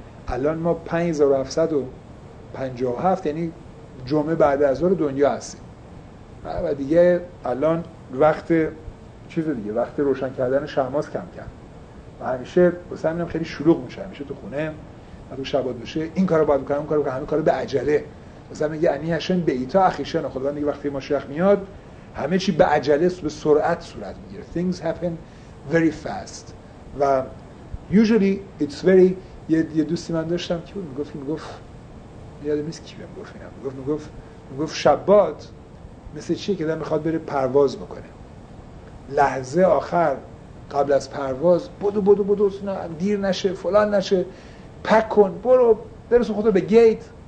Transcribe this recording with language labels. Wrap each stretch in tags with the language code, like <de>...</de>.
<fa>الان ما 5757 یعنی جمعه بعد از ظهر دنیا هستیم و دیگه الان وقت چیز دیگه، وقت روشن کردن شمعاست کم کم و همیشه بسه همینم خیلی شلوغ میشه، همیشه تو خونه و تو شبات میشه این کار رو باید بکنم، اون کار رو همه کار به عجله. بسه هم میگه انی هشن به ایتا اخیشن، خدا نگه وقتی ما شیخ میاد همه چی به عجله به سرعت صورت میگیره.</fa> <en>Things happen very fast.</en> <fa>و</fa> <en>usually it's very</en> <fa>یه دوستی من داشتم که بود میگفت یادم نیست کی بهم گفت اینا، میگفت شبات مثل چیه که دارم میخواد بره پرواز بکنه، لحظه آخر قبل از پرواز بدو بدو بدو سنا دیر نشه فلان نشه پک کن برو برسون خودت به گیت.</fa>